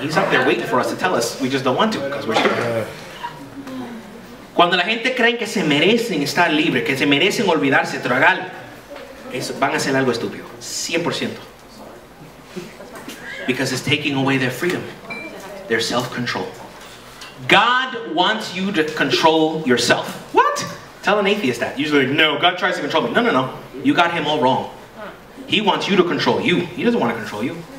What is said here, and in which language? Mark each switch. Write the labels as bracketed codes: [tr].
[en] He's up there waiting for us to tell us. We just don't want to because we're stupid. [es] Cuando la gente creen que se merecen estar libre, que se merecen olvidarse, tragar, van a hacer algo estúpido. 100%. [en] Because it's taking away their freedom, their self-control. God wants you to control yourself. What? Tell an atheist that. Usually, no, God tries to control me. No, no, no. You got him all wrong. He wants you to control you. He doesn't want to control you.